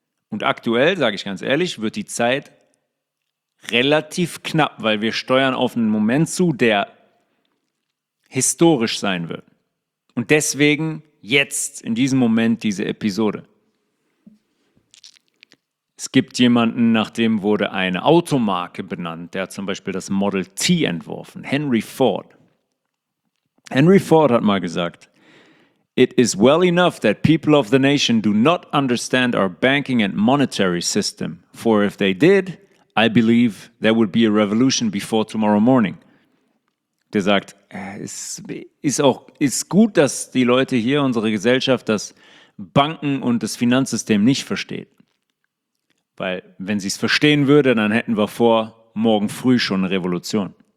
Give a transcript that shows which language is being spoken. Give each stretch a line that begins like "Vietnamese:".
German: Und aktuell, sage ich ganz ehrlich, wird die Zeit relativ knapp, weil wir steuern auf einen Moment zu, der historisch sein wird. Und deswegen jetzt, in diesem Moment, diese Episode. Es gibt jemanden, nach dem wurde eine Automarke benannt, der hat zum Beispiel das Model T entworfen, Henry Ford. Henry Ford hat mal gesagt,
English: "It is well enough that people of the nation do not understand our banking and monetary system. For if they did, I believe there would be a revolution before tomorrow morning."
German: Der sagt, es ist gut, dass die Leute hier, unsere Gesellschaft, das Banken und das Finanzsystem nicht versteht. Weil wenn sie es verstehen würde, dann hätten wir vor morgen früh schon eine Revolution.